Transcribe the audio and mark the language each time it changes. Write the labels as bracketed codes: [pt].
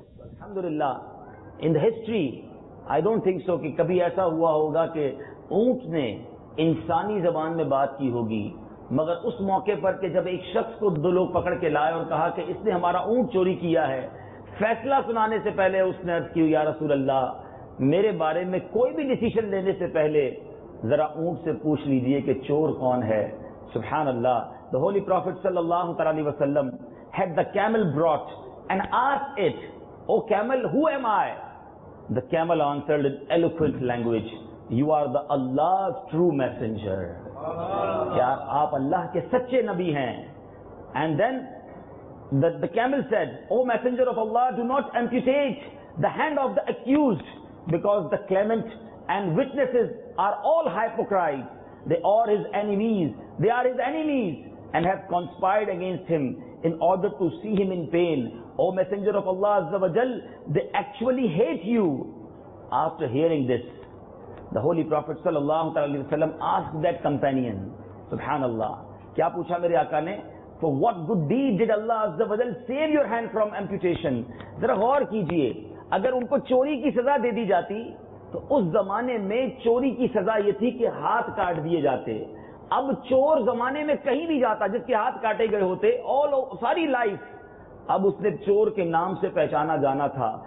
[hi] Alhamdulillah [en] in the history I don't think so [hi] ki kabhi aisa hua hoga ki ऊंट ने इंसानी जबान में बात की होगी, मगर उस मौके पर कि जब एक शख्स को दो लोग पकड़ के लाए और कहा कि इसने हमारा ऊंट चोरी किया है, फैसला सुनाने से पहले उसने अर्ज किया, या रसूल अल्लाह, मेरे बारे में कोई भी डिसीजन लेने से पहले जरा ऊंट से पूछ लीजिए कि चोर कौन है. [en] सुभान अल्लाह, the holy prophet सल्लल्लाहु अलैहि वसल्लम had the camel brought and asked it, O camel, who am I? The camel answered in eloquent language, You are the Allah's true messenger. [hi] यार आप अल्लाह के सच्चे नबी हैं. [en] And then the camel said, O messenger of Allah, do not amputate the hand of the accused, because the claimant and witnesses are all hypocrites. They are his enemies. They are his enemies and have conspired against him in order to see him in pain. O messenger of Allah Azza wa Jal, they actually hate you. After hearing this, The Holy Prophet sallallahu alaihi wasallam asked that companion, Subhanallah, [hi] क्या पूछा मेरे आका ने? [en] For what good deed did Allah Azza wa Jal save your hand from amputation? [hi] जरा गौर कीजिए, अगर उनको चोरी की सजा दे दी जाती तो उस जमाने में चोरी की सजा ये थी कि हाथ काट दिए जाते. अब चोर जमाने में कहीं भी जाता जिसके हाथ काटे गए होते, ऑल सारी लाइफ अब उसने चोर के नाम से पहचाना जाना था.